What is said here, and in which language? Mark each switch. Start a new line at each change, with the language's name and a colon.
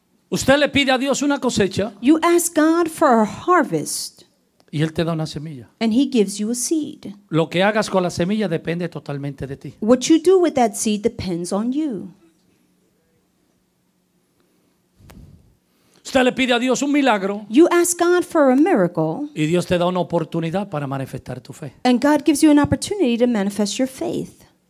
Spanish: Usted le pide a Dios una cosecha.
English: You ask God for a harvest.
Spanish: Y él te da una semilla.
English: And he gives you a seed.
Spanish: Lo que hagas con la semilla depende totalmente de ti.
English: What you do with that seed depends on you.
Spanish: Usted le pide a Dios un milagro.
English: You ask God for a miracle.
Spanish: Y Dios te da una oportunidad para manifestar tu fe.
English: And God gives you an opportunity to manifest your faith.